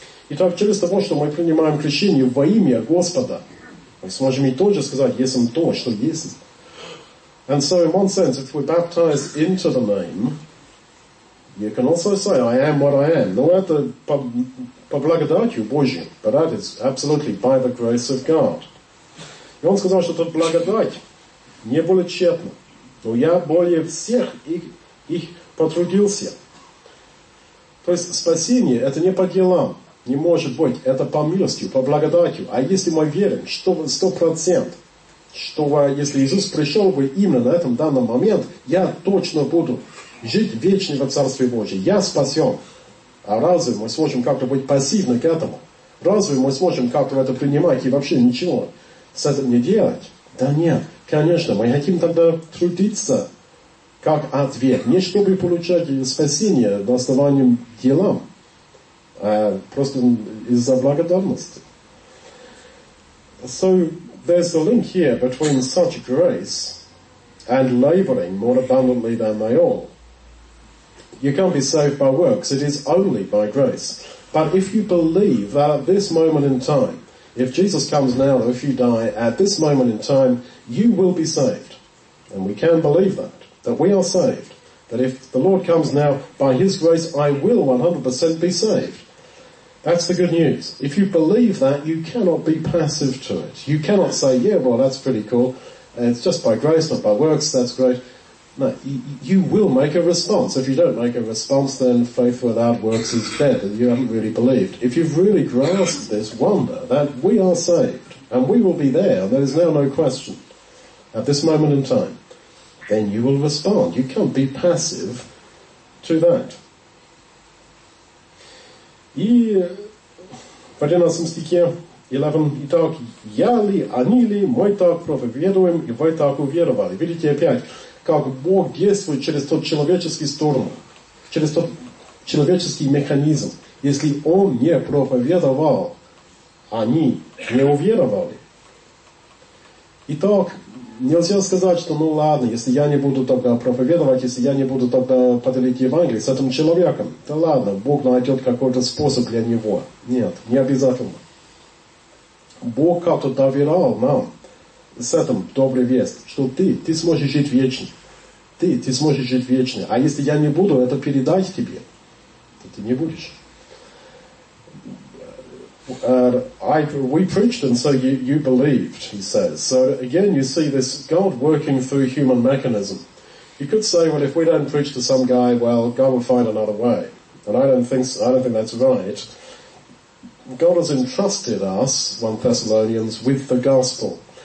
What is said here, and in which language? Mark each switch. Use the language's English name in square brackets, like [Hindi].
[Russian] Итак, через того, что мы принимаем крещение во имя Господа, мы сможем и тоже сказать, есм то, что есм. [English] And so in one sense, if we're baptized into the name, you can also say, I am what I am. [Russian] Но это по благодатью Божьей, [English] but that is absolutely by the grace of God. [Russian] И он сказал, что тот благодать не более тщетна, но я более всех их потрудился. То есть спасение это не по делам, не может быть, это по милости, по благодатью. А если мы верим, что 100%, что если Иисус пришел бы именно на этом данном момент, я точно буду жить вечно во Царстве Божьем. Я спасен. А разве мы сможем как-то быть пассивны к этому? Разве мы сможем как-то это принимать и вообще ничего с этим не делать? Да нет, конечно, мы хотим тогда трудиться как ответ, не чтобы получать спасение на основании делам, а просто из-за благодарности. [English] So, there's a link here between such grace and laboring more abundantly than they all. You can't be saved by works, it is only by grace. But if you believe that at this moment in time, if Jesus comes now, if you die at this moment in time, you will be saved. And we can believe that we are saved. That if the Lord comes now, by His grace, I will 100% be saved. That's the good news. If you believe that, you cannot be passive to it. You cannot say, yeah, well, that's pretty cool. It's just by grace, not by works, that's great. No, you will make a response. If you don't make a response, then faith without works is dead, and you haven't really believed. If you've really grasped this wonder that we are saved, and we will be there, there is now no question, at this moment in time, then you will respond. You can't be passive to that. [Russian] И в 11 стихе 11, итак, я ли, они ли, мой так проповедуем, и вы так уверовали. Видите опять, как Бог действует через тот человеческий сторону, через тот человеческий механизм. Если Он не проповедовал, они не уверовали. Итак, нельзя сказать, что ну ладно, если я не буду тогда проповедовать, если я не буду тогда поделить Евангелие с этим человеком, то ладно, Бог найдет какой-то способ для него. Нет, не обязательно. Бог как-то доверял нам с этим добрый весть, что ты сможешь жить вечно. Ты сможешь жить вечно. А если я не буду это передать тебе, то ты не будешь. [English] We preached and so you believed, he says. So again, you see this God working through human mechanism. You could say, well, if we don't preach to some guy, well, God will find another way. And I don't think that's right. God has entrusted us, 1 Thessalonians, with the gospel.